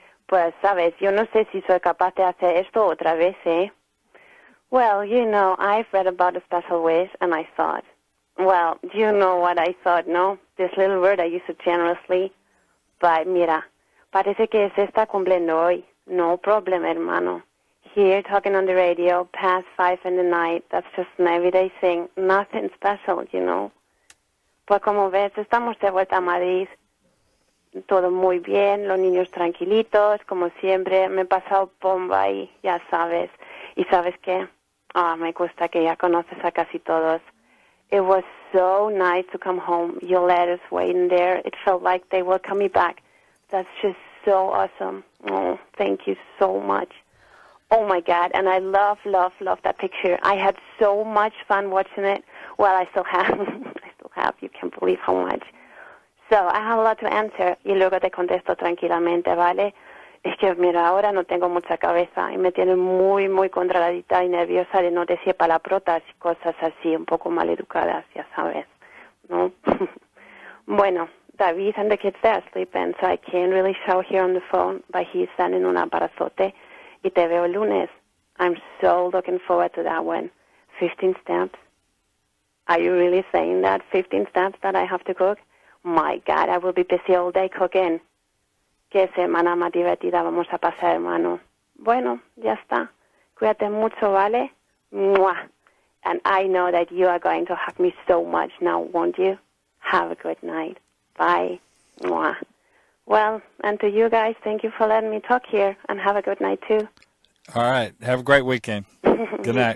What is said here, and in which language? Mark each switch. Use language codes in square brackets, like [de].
[es] Pues, sabes, yo no sé si soy capaz de hacer esto otra vez, ¿eh? [en] Well, you know, I've read about a special wish, and I thought, well, do you know what I thought, no? This little word I used so generously. But, [es] mira, parece que se está cumpliendo hoy. [en] No problem, [es] hermano. [en] Here, talking on the radio, past 5 in the night, that's just an everyday thing, nothing special, you know. [es] Pues como ves, estamos de vuelta a Madrid, todo muy bien, los niños tranquilitos, como siempre, me he pasado bomba ahí, ya sabes. ¿Y sabes qué? Ah, me gusta que ya conoces a casi todos. [en] It was so nice to come home, your letters waiting there, it felt like they were coming back. That's just so awesome. Oh, thank you so much. Oh, my God, and I love, love, love that picture. I had so much fun watching it. Well, I still have. I still have. You can't believe how much. So, I have a lot to answer. [es] Y luego te contesto tranquilamente, ¿vale? Es que, mira, ahora no tengo mucha cabeza. Y me tiene muy, muy controladita y nerviosa de no decir palabrotas y cosas así, un poco mal educadas, ya sabes, ¿no? Bueno, [en] David and the kids, they're sleeping, so I can't really show here on the phone, but he's sending [es] un abrazote. Y te veo lunes. [en] I'm so looking forward to that one. 15 stamps. Are you really saying that? 15 stamps that I have to cook? My God, I will be busy all day cooking. [es] Qué semana más divertida vamos a pasar, hermano. Bueno, ya está. Cuídate mucho, ¿vale? Muah. [en] And I know that you are going to hug me so much now, won't you? Have a good night. Bye. Muah. Well, and to you guys, thank you for letting me talk here, and have a good night, too. All right. Have a great weekend. Good night.